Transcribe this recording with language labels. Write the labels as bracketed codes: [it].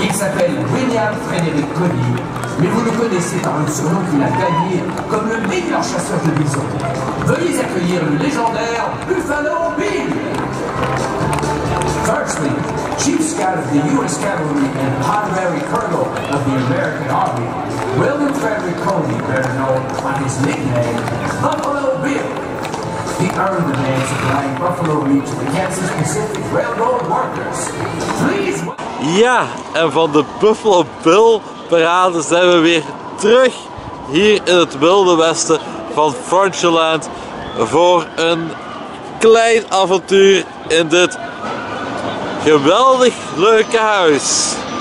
[fr] Frédéric Colly, mais vous le connaissez par le surnom qu'il a gagné comme le meilleur chasseur de bison. Veuillez accueillir le légendaire Buffalo Bill. [en] Firstly, Chief Scout of the U.S. Cavalry and Honorary Colonel of the American Army, William Frederick Colly, better known by his nickname, Buffalo Bill. He earned the name supplying Buffalo meat to the Kansas Pacific Railroad workers. [nl] Ja, en van de Buffalo Bill parade zijn we weer terug hier in het Wilde Westen van Frontierland voor een klein avontuur in dit geweldig leuke huis.